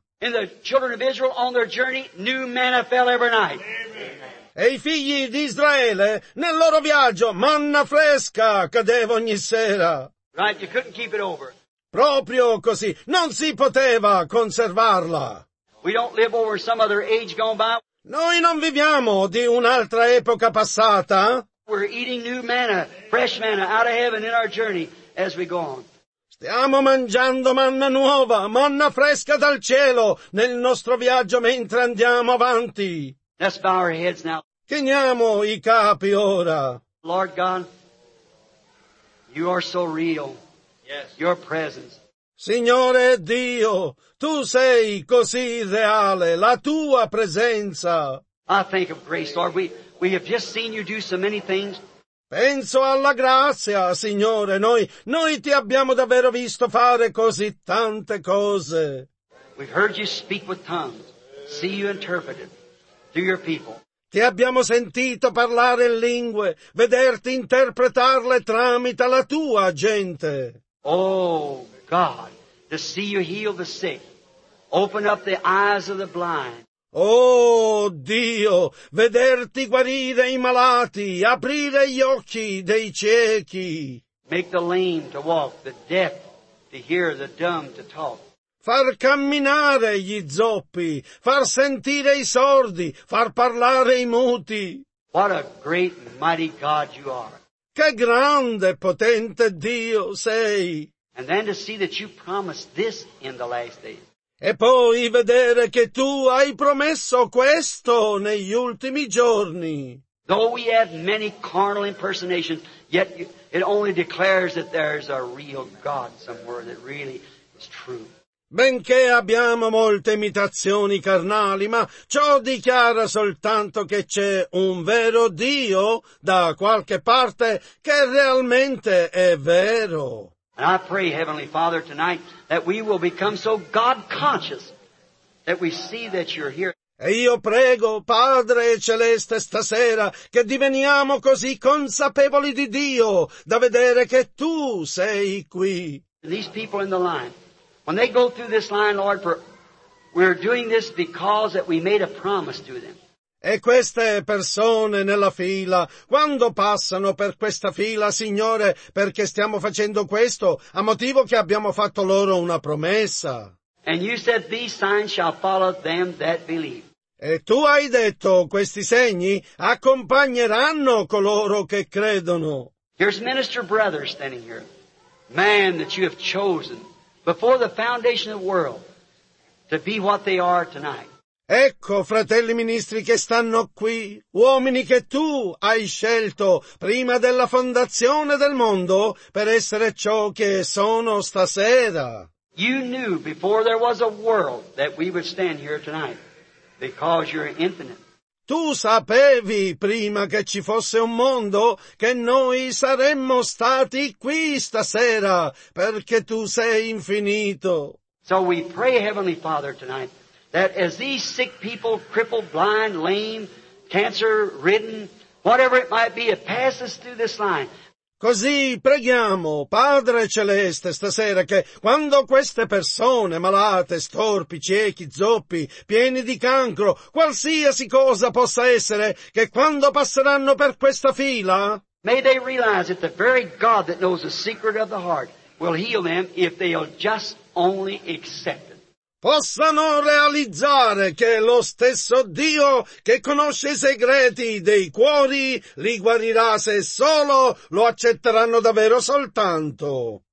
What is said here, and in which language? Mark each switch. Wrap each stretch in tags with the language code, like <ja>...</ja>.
<en>And the children of Israel on their journey, new manna fell every night. Amen.</en> <it>E i figli di Israele, nel loro viaggio, manna fresca cadeva ogni sera.</it> <en>Right, you couldn't keep it over.</en> <it>Proprio così, non si poteva conservarla.</it> <en>We don't live over some other age gone by.</en> <it>Noi non viviamo di un'altra epoca passata.</it> <en>We're eating new manna, fresh manna, out of heaven in our journey as we go on.</en> <it>Stiamo mangiando manna nuova, manna fresca dal cielo, nel nostro viaggio mentre andiamo avanti.</it> <en>Let's bow our heads now.</en> <it>Chiniamo i capi ora.</it> <en>Lord God, you are so real. Yes. Your presence.</en> <it>Signore Dio, tu sei così reale, la tua presenza.</it> <en>I think of grace, Lord. We have just seen you do so many things.</en> <it>Penso alla grazia, Signore. Noi ti abbiamo davvero visto fare così tante cose.</it> <en>We've heard you speak with tongues, see you interpreted through your people.</en> <it>Ti abbiamo sentito parlare in lingue, vederti interpretarle tramite la tua gente.</it> <en>Oh, God, to see you heal the sick, open up the eyes of the blind.</en> <it>Oh Dio, vederti guarire i malati, aprire gli occhi dei ciechi.</it> <en>Make the lame to walk, the deaf to hear, the dumb to talk.</en> <it>Far camminare gli zoppi, far sentire i sordi, far parlare i muti.</it> <en>What a great and mighty God you are.</en> <it>Che grande, potente Dio sei.</it> <en>And then to see that you promised this in the last days.</en> <it>E poi vedere che tu hai promesso questo negli ultimi giorni.</it> <en>Though we have many carnal impersonations, yet it only declares that there's a real God somewhere that really is true.</en> <it>Benché abbiamo molte imitazioni carnali, ma ciò dichiara soltanto che c'è un vero Dio da qualche parte che realmente è vero.</it> <en>And I pray, Heavenly Father, tonight that we will become so God-conscious that we see that you're here.</en> <it>E io prego, Padre Celeste, stasera, che diveniamo così consapevoli di Dio da vedere che Tu sei qui.</it> <en>And these people in the line, when they go through this line, Lord, we're doing this because that we made a promise to them.</en> <it>E queste persone nella fila, quando passano per questa fila, Signore, perché stiamo facendo questo, a motivo che abbiamo fatto loro una promessa.</it> <en>And you said, these signs shall follow them that believe.</en> <it>E tu hai detto, questi segni accompagneranno coloro che credono.</it> <en>Here's Minister Brother standing here. Man that you have chosen before the foundation of the world to be what they are tonight.</en> <it>Ecco, fratelli ministri che stanno qui, uomini che tu hai scelto prima della fondazione del mondo per essere ciò che sono stasera.</it> <en>You knew before there was a world that we would stand here tonight because you're infinite.</en> <it>Tu sapevi prima che ci fosse un mondo che noi saremmo stati qui stasera perché tu sei infinito.</it> <en>So we pray, Heavenly Father, tonight that as these sick people, crippled, blind, lame, cancer-ridden, whatever it might be, it passes through this line.</en> <it>Così preghiamo, Padre Celeste, stasera, che quando queste persone malate, storpi, ciechi, zoppi, pieni di cancro, qualsiasi cosa possa essere, che quando passeranno per questa fila,</it> <en>may they realize that the very God that knows the secret of the heart will heal them if they'll just only accept.</en> <it>Possano realizzare che lo stesso Dio che conosce i segreti dei cuori li guarirà se solo lo accetteranno davvero soltanto.</it>